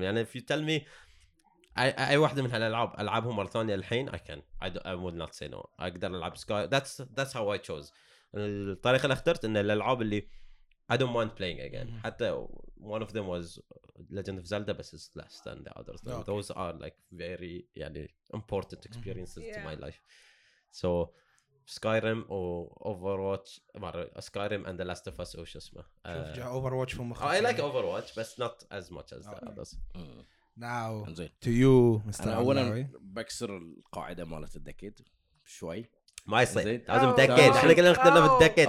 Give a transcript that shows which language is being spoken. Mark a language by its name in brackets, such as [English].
[Arabic] يعني [English] if you tell me [Arabic] أي واحدة من هالألعاب ألعبهم مرة ثانية الحين [English] I would not say no. [Arabic] أقدر ألعب [English] Sky. That's how I chose. [Arabic] الطريقة اللي اخترت إن الألعاب اللي [English] I don't mind playing again. [Arabic] حتى [English] one of them was Legend of Zelda, but it's less than the others. Okay. Those are like very [Arabic] يعني [English] important experiences to my life. So Skyrim or Overwatch, Skyrim and The Last of Us, [Arabic] وش اسمه؟ [English] Overwatch from I like Overwatch, but not as much as the others. Now to you, Mr. [Arabic] أنا أولاً بكسر القاعدة مالت الدكيد شوي. ما يصير. لازم دكيد. إحنا كلنا اخترنا في الدكيد.